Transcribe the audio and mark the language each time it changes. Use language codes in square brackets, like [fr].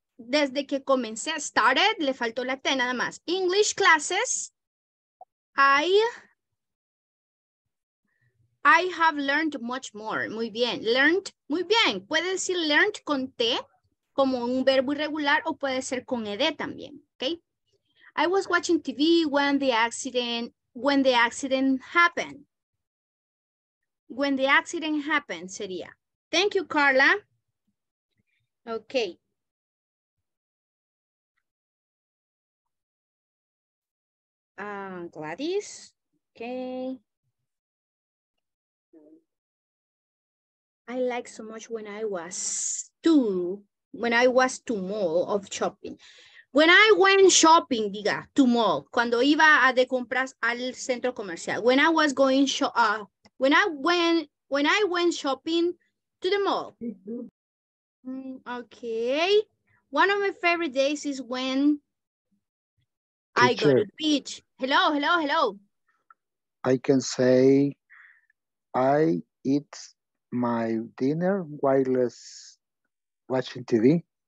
[es] Desde que comencé, [en] started, [es] le faltó la T nada más. [en] English classes, I have learned much more. [es] Muy bien, [en] learned, [es] muy bien. Puede decir [en] learned [es] con T como un verbo irregular o puede ser con ED también, ¿ok? [en] I was watching TV when the accident happened. When the accident happened [es] sería. [en] Thank you, Carla. Ok. Gladys, okay. I like so much when I was to mall of shopping. When I went shopping, [es] diga, [en] to mall. [es] Cuando iba a de compras al centro comercial. [en] When I was going when I went shopping to the mall. Okay. One of my favorite days is when teacher. I go to the beach. Hello. I can say I eat my dinner while watching TV.